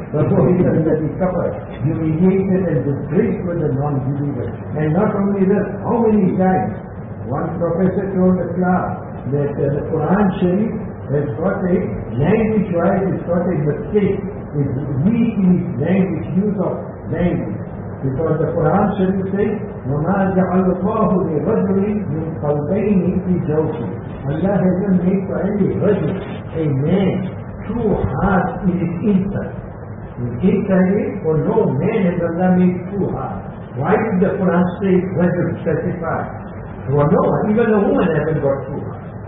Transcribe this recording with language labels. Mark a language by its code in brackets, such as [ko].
[en] Therefore, he said that he suffered, humiliated, and disgraced with the non-believer. And not only that, how many times? One professor told the class that the Quran Sharif has got a language wise, it's got a mistake. It's weak in its language, use of language. Because the Quran Sharif says, [ar] وَمَا جَعَلَ اللَّهُ لِرَجُلٍ مِنْ قَلْبَيْنِ فِي جَوْفِهِ. [en] Allah hasn't made for any rajul, a man, true heart in his inside. In Italy, for no man has Allah made true heart. Why did the Quran say rajul specified? For no one, even a woman hasn't got true heart.